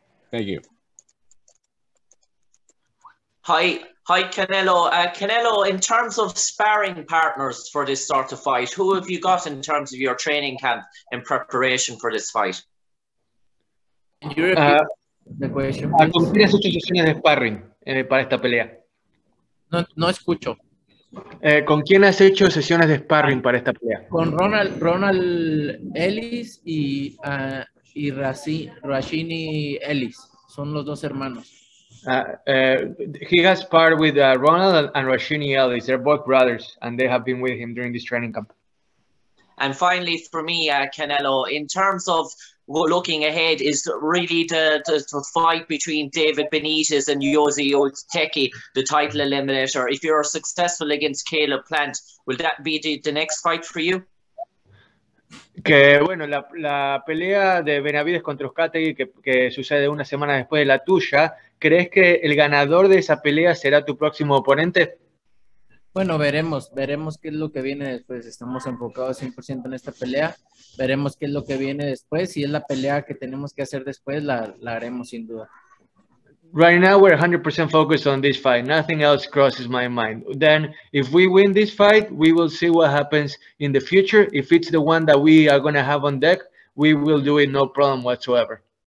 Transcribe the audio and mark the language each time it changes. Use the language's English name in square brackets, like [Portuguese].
[English] Thank you. Hi, Canelo. Canelo, in terms of sparring partners for this sort of fight, who have you got in terms of your training camp in preparation for this fight? [Spanish] ¿Con quién has hecho sesiones de sparring para esta pelea? No escucho. ¿Con quién has hecho sesiones de sparring para esta pelea? Con Ronald Ellis y Rashini Ellis. Son los dos hermanos. [English] He has sparred with Ronald and Rashini Ellis. They're both brothers, and they have been with him during this training camp. And finally, for me, Canelo, in terms of looking ahead, is really the fight between David Benitez and Yossi Ortega, the title eliminator. If you're successful against Caleb Plant, will that be the next fight for you? [Spanish] Que bueno, la pelea de Benavides contra Ortega que sucede una semana después de la tuya, ¿crees que el ganador de esa pelea será tu próximo oponente? Bueno, veremos qué es lo que viene después. Estamos enfocados 100% en esta pelea. Veremos qué es lo que viene después. Si es la pelea que tenemos que hacer después, la haremos sin duda. [English] Right now, we're 100% focused on this fight. Nothing else crosses my mind. Then, if we win this fight, we will see what happens in the future. If it's the one that we are going to have on deck, we will do it no problem whatsoever.